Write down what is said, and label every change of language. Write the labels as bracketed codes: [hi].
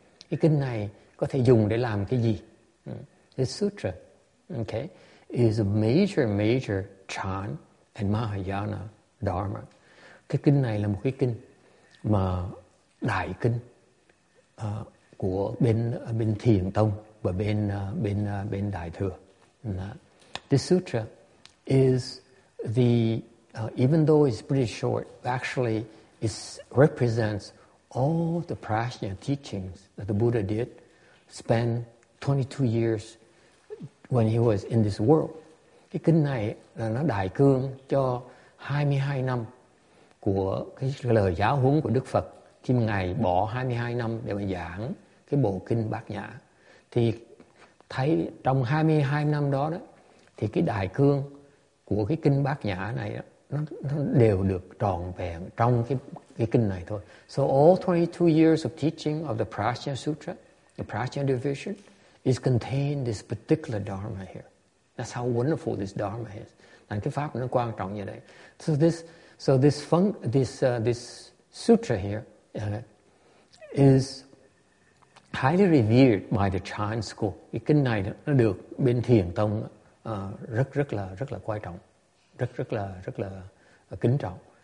[vi] Cái kinh này có thể dùng để làm cái gì? [en] This sutra, okay, is a major chan and Mahayana dharma. [vi] Cái kinh này là một cái kinh mà đại kinh của bên thiền tông và bên đại thừa. [en] This sutra is the even though it's pretty short, actually it represents all the prajna teachings that the Buddha did spend 22 years when he was in this world. [vi] Cái kinh này là nó đại cương cho 22 năm của cái lời giáo huấn của Đức Phật khi mà ngài bỏ 22 năm để mà giảng cái bộ kinh Bát Nhã. Thì thấy trong 22 năm đó đó thì cái đại cương của cái kinh Bát Nhã này đó, nó đều được trọn vẹn trong cái kinh này thôi. [en] So all 22 years of teaching of the Prajna Sutra, the Prajna Division, is contained this particular dharma here. That's how wonderful this dharma is. [vi] Nên cái pháp nó quan trọng như vậy. [en] So this sutra here is highly revered by the Chan school. [vi] Cái kinh này nó được bên thiền tông rất là quan trọng, rất là kính trọng.